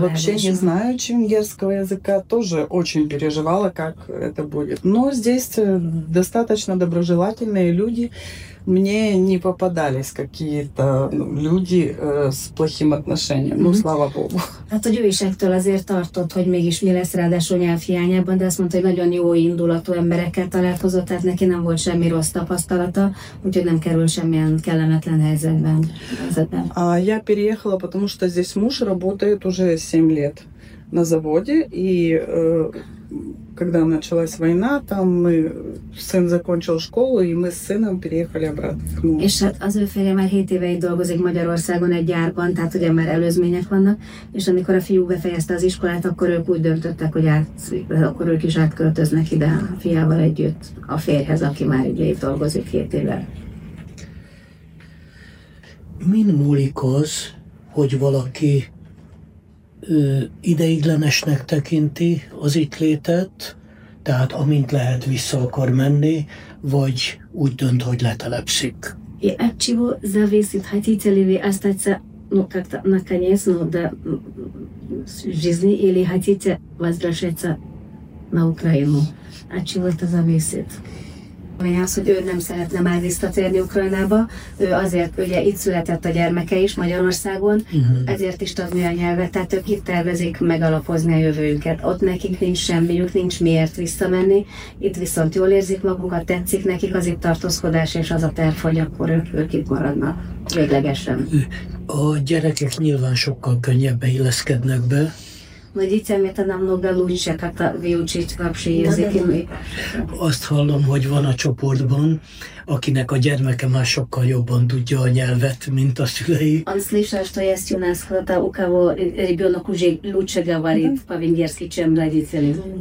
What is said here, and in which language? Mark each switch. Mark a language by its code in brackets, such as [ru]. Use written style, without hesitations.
[ru] Вообще не знаю чевенгерского языка, тоже очень переживала, как это будет. Но здесь достаточно доброжелательные люди. Мне не попадались какие-то люди с плохим отношением, ну, слава Богу. [hu] Hát, hogy ő is ektől azért tartott, hogy mégis mi lesz, ráadásul nyelv hiányában, de azt mondta, hogy nagyon jó indulatú emberekkel találkozott, tehát neki nem volt semmi rossz tapasztalata, úgyhogy nem kerül semmilyen kellemetlen helyzetben. [ru] А я переехала, потому что здесь муж работает уже 7 лет на заводе, и когда началась война, там мы сын закончил школу, и мы с сыном переехали обратно к нему. [hu] És hát az ő férje már 7 éve itt dolgozik Magyarországon egy gyárban, tehát ugye már előzmények vannak, és amikor a fiú befejezte az iskolát, akkor ők úgy döntöttek, hogy akkor ők is átköltöznek ide a fiával együtt a férjhez, aki már ugye itt dolgozik 7 éve. Min múlik az, hogy valaki ideiglenesnek tekinti az itt létet, tehát amint lehet vissza akar menni, vagy úgy dönt, hogy letelepszik. [ru] И от чего зависит, хотите ли вы остаться, ну, как-то наконец, ну, да, в жизни, или хотите возвращаться на Украину? От чего это зависит? [hu] Az, hogy ő nem szeretne már visszatérni Ukrajnába, ő azért, ugye itt született a gyermeke is Magyarországon, ezért is tanulni a nyelvet, tehát ők itt tervezik megalapozni a jövőjüket. Ott nekik nincs semmiük, nincs miért visszamenni, itt viszont jól érzik magukat, tetszik nekik az itt tartózkodás, és az a terv, hogy akkor ők itt maradnak véglegesen. A gyerekek nyilván sokkal könnyebben illeszkednek be. [ru] Но детям это намного лучше как-то выучить вообще языки. [hu] Azt hallom, hogy van a csoportban, akinek a gyermeke már sokkal jobban tudja a nyelvet, mint a szülei. [ru] Он слышал, что есть у нас кто-то, у кого ребенок уже лучше говорит по-венгерски, чем родители.